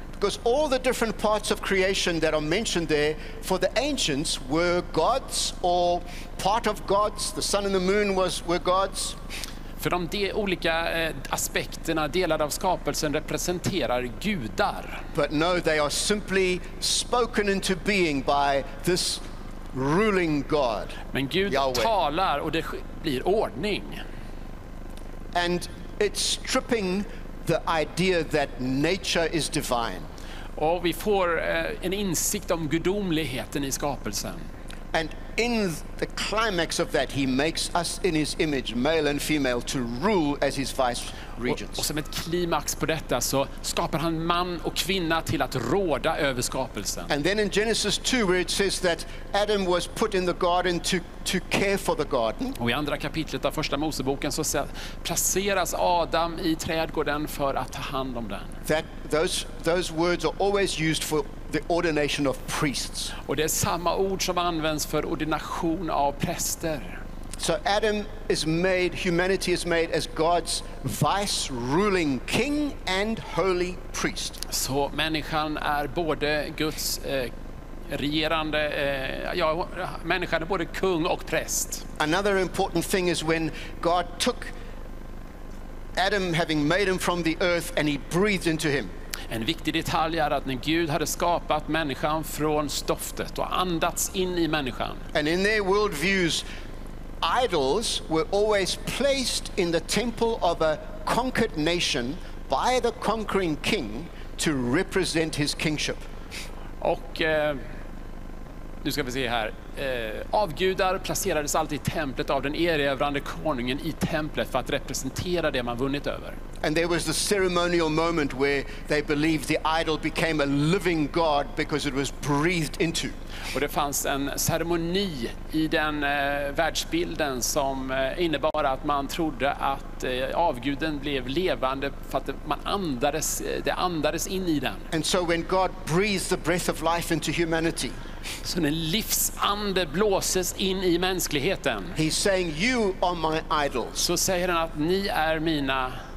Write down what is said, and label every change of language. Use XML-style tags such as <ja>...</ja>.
<en>Because all the different parts of creation that are mentioned there for the ancients were gods or part of gods. The sun and the moon were gods.</en> <sv>För de olika aspekterna delar av skapelsen representerar gudar.</sv> <en>But no, they are simply spoken into being by this ruling God.</en> <sv>Men Gud Yahweh. Talar och det blir ordning.</sv> <en>And it's stripping the idea that nature is divine.</en> <sv>Och vi får en insikt om gudomligheten I skapelsen.</sv> <en>And in the climax of that he makes us in his image male and female to rule as his vice regents.</en> <sv>Och som ett klimax på detta så skapar han man och kvinna till att råda över skapelsen.</sv> <en>And then in Genesis 2 where it says that Adam was put in the garden to care for the garden.</en> <sv>Och I andra kapitlet av första Moseboken så placeras Adam I trädgården för att ta hand om den.</sv> <en>That those words are always used for the ordination of priests.</en> <sv>Och det är samma ord som används för ordination av präster.</sv> <en>So Adam is made, humanity is made as God's vice ruling king and holy priest.</en> <sv>Så människan är både Guds regerande människan är både kung och präst.</sv> <en>Another important thing is when God took Adam having made him from the earth and he breathed into him.</en> <sv>En viktig detalj är att när Gud hade skapat människan från stoftet och andats in I människan.</sv> <en>And in their world views, idols were always placed in the temple of a conquered nation by the conquering king to represent his kingship.</en> <sv>Och nu ska vi se här. Avgudar placerades alltid I templet av den erövrande konungen I templet för att representera det man vunnit över.</sv> <en>And there was the ceremonial moment where they believed the idol became a living god because it was breathed into.</en> <sv>Och det fanns en ceremoni I den världsbilden som innebar att man trodde att avguden blev levande för att man andades det andades in I den.</sv> <en>And so when God breathed the breath of life into humanity.</en> <sv>Så när livsande blåses in I mänskligheten.</sv> <en>He's saying you are my idol.</en> <sv>Så säger han att ni är mina</sv>